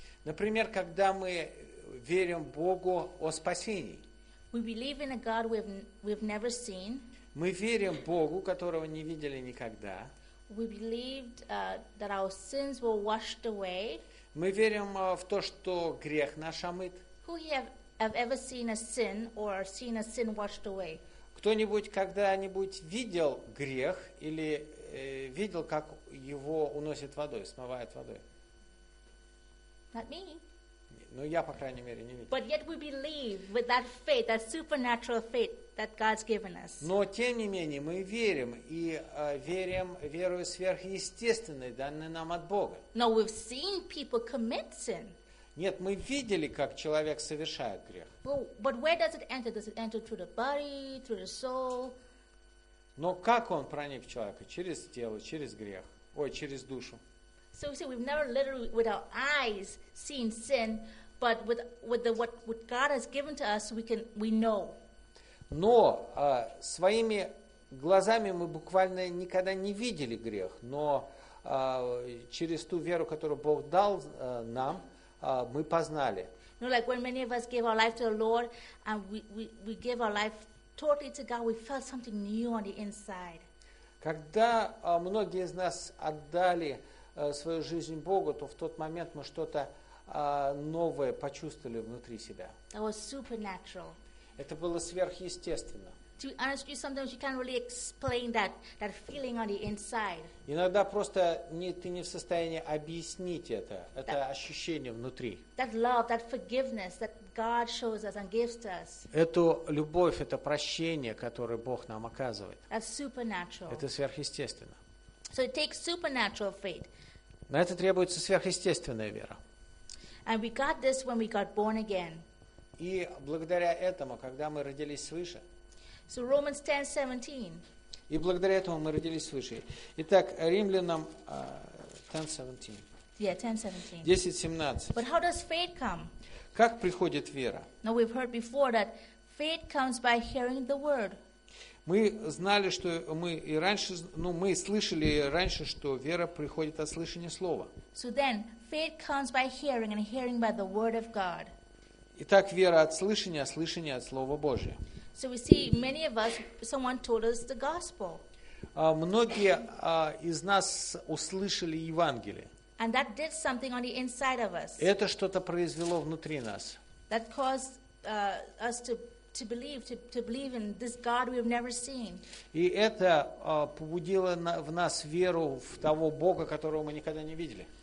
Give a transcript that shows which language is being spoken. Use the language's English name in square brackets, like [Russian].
[Russian] Например, когда мы верим Богу о спасении. [English] We believe in a God we've never seen. [Russian] Мы верим Богу, которого не видели никогда. [English] We believed that our sins were washed away. [Russian] Мы верим в то, что грех наш омыт. [English] Who have ever seen a sin or seen a sin washed away? [Russian] Кто-нибудь когда-нибудь видел грех или видел, как его уносит водой, смывает водой? [English] Not me. [Russian] Ну, я, по крайней мере, не видел. [English] But yet we believe with that faith, that supernatural faith that God's given us. [Russian] Но, тем не менее, мы верим, и верим верою сверхъестественной, данной нам от Бога. [English] No, we've seen people commit sin. [Russian] Нет, мы видели, как человек совершает грех. [English] But where does it enter? Does it enter through the body, through the soul? [Russian] Но как он проник в человека? Через тело, через грех. Ой, через душу. [English] So we say we've never literally with our eyes seen sin, but with what God has given to us, we know. [Russian] Но своими глазами мы буквально никогда не видели грех, но через ту веру, которую Бог дал нам, мы познали. [English] No, like when many of us gave our life to the Lord and we gave our life totally to God, we felt something new on the inside. [Russian] Когда многие из нас отдали свою жизнь Богу, то в тот момент мы что-то новое почувствовали внутри себя. [English] That was supernatural. [Russian] Это было сверхъестественно. [English] To be honest with you, sometimes you can't really explain that feeling on the inside. [Russian] Иногда просто ты не в состоянии объяснить это ощущение внутри. [English] That love, that forgiveness that God shows us and gives to us. [Russian] Эту любовь, это прощение, которое Бог нам оказывает. [English] That's supernatural. [Russian] Это сверхъестественно. [English] So it takes supernatural faith. [Russian] На это требуется сверхъестественная вера. [English] And we got this when we got born again. [Russian] И благодаря этому, когда мы родились свыше. [English] So Romans 10:17. [Russian] И благодаря этому мы родились свыше. Итак, Римлянам 10:17. [English] Yeah, 10:17. 10:17. But how does faith come? [Russian] Как приходит вера? [English] Now we've heard before that faith comes by hearing the word. [Russian] Мы знали, что мы и раньше, ну, мы слышали раньше, что вера приходит от слышания слова. [English] So then, faith comes by hearing, and hearing by the word of God. [Russian] Итак, вера от слышания, а слышание от слова Божия. [English] So we see many of us, someone told us the gospel. [Russian] многие из нас услышали Евангелие. [English] And that did something on the inside of us. [Russian] Это что-то произвело внутри нас. [English] That caused us to believe, to believe in this God we've never seen. [Russian] И это побудило в нас веру в того Бога, которого мы никогда не видели.